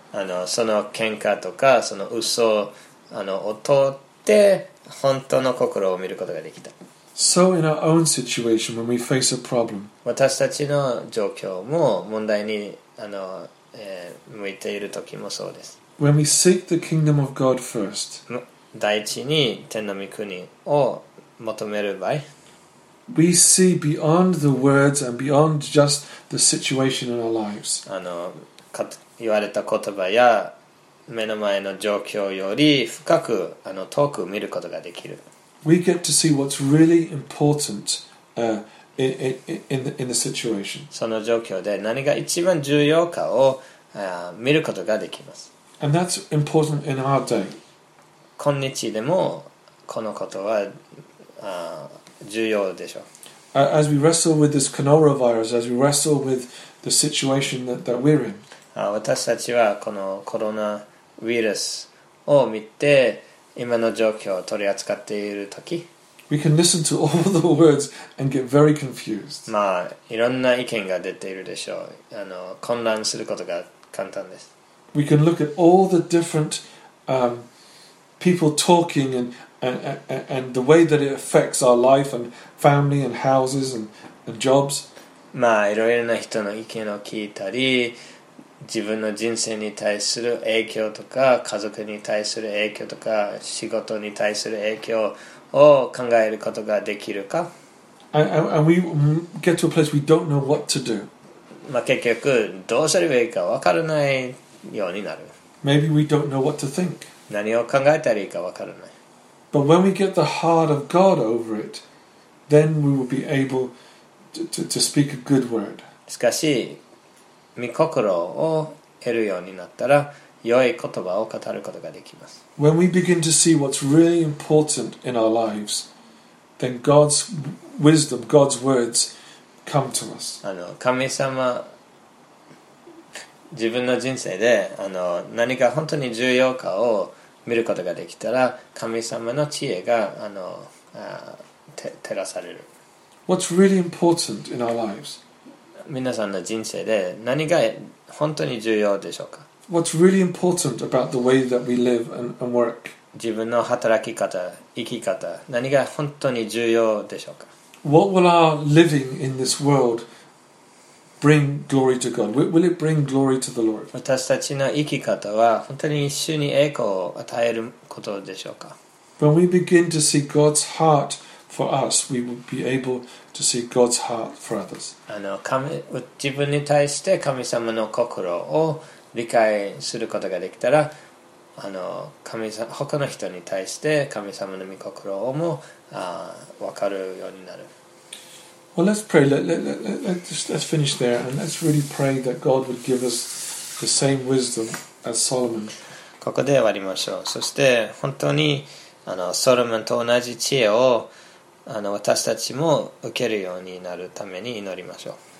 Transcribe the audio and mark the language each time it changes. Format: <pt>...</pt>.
<ja>あのその喧嘩とかその嘘をあの通って本当の心を見ることができた。</ja> <en>So in our own situation, when we face a problem,</en> <ja>私たちの状況も問題にあの、向いている時もそうです。</ja> <en>When we seek the kingdom of God first,</en> <ja>第一に天の御国を求める場合。</ja> <en>We see beyond the words and beyond just the situation in our lives.</en> <ja>あの、言われた言葉や目の前の状況より深く、あの、遠く見ることができる。</ja> <en>We get to see what's really important, in the situation.</en> <ja>その状況で何が一番重要かを、見ることができます。</ja> <en>And that's important in our day.</en> <ja>今日でもこのことは、重要でしょう。</ja> <en>As we wrestle with this coronavirus, as we wrestle with the situation that we're in.</en> <ja>私たちはこのコロナウイルスを見て今の状況を取り扱っているとき、</ja> <en>We can listen to all the words and get very confused.</en> <ja>まあ、いろんな意見が出ているでしょう。あの、混乱することが簡単です。</ja> <en>We can look at all the different, people talking and the way that it affects our life and family and houses and jobs.</en> <ja>まあ、いろいろな人の意見を聞いたり、自分の人生に対する影響とか、家族に対する影響とか、仕事に対する影響を考えることができるか。</ja> <en>And we get to a place we don't know what to do.</en> <ja>まあ結局、どうすればいいか分からないようになる。</ja> <en>Maybe we don't know what to think.</en> <ja>何を考えたらいいか分からない。</ja> <en>But when we get the heart of God over it, then we will be able to speak a good word.</en> <ja>しかし、御心を得るようになったら、良い言葉を語ることができます。</ja> <en>When we begin to see what's really important in our lives, then God's wisdom, God's words come to us.</en> <ja>あの、神様、自分の人生で、あの、何が本当に重要かを見ることができたら、神様の知恵が、あの、照らされる。</ja> <en>What's really important in our lives?</en> <ja>皆さんの人生で何が本当に重要でしょうか。</ja> <en>What's really important about the way that we live and work?</en> <ja>自分の働き方、生き方、何が本当に重要でしょうか。</ja> <en>What will our living in this world bring glory to God? Will it bring glory to the Lord?</en> <ja>私たちの生き方は本当に主に栄光を与えることでしょうか。</ja> <en>When we begin to see God's heart. For us, we will be able to see God's heart for others.</en> <ja>あの、自分に対して神様の心を理解することができたら、あの、他の人に対して神様の御心をも、分かるようになる。</ja> <en>Well, let's pray. Let's finish there, and let's really pray that God would give us the same wisdom as Solomon.</en> <ja>ここで終わりましょう。そして本当にあの、ソロモンと同じ知恵をあの私たちも受けるようになるために祈りましょう。</ja>